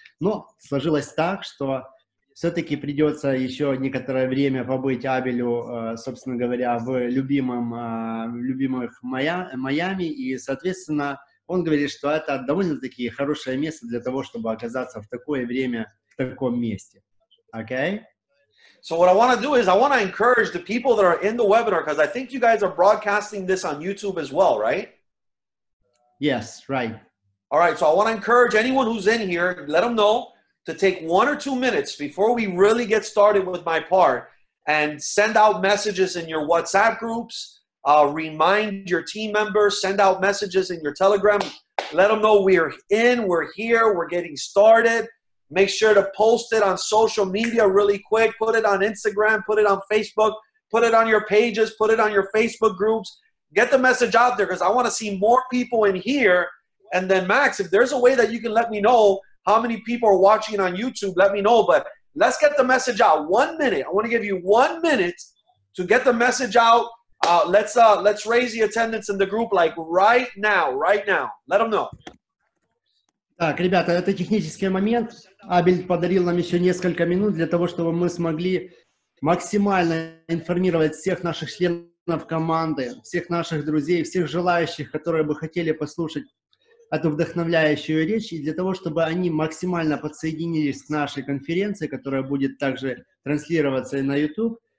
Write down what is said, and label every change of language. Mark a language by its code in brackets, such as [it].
[ru] Но сложилось так, что все-таки придется еще некоторое время побыть Абелю, собственно говоря, в любимых Майами. И, соответственно, он говорит, что это довольно-таки хорошее место для того, чтобы оказаться в такое время, в таком месте. Окей? [en] So what I want to do is I want to encourage the people that are in the webinar, because I think you guys are broadcasting this on YouTube as well, right? Yes, right. All right, so I want to encourage anyone who's in here, let them know to take 1 or 2 minutes before we really get started with my part and send out messages in your WhatsApp groups, remind your team members, send out messages in your Telegram. Let them know we're in, we're here, we're getting started. Make sure to post it on social media really quick. Put it on Instagram. Put it on Facebook. Put it on your pages. Put it on your Facebook groups. Get the message out there because I want to see more people in here. And then, Max, if there's a way that you can let me know how many people are watching on YouTube, let me know. But let's get the message out. 1 minute. I want to give you 1 minute to get the message out. Let's raise the attendance in the group like right now, right now. Let them know. [ru] Так, ребята, это технический момент. Абель подарил нам еще несколько минут для того, чтобы мы смогли максимально информировать всех наших членов команды, всех наших друзей, всех желающих, которые бы хотели послушать эту вдохновляющую речь, и для того, чтобы они максимально подсоединились к нашей конференции, которая будет также транслироваться и на YouTube.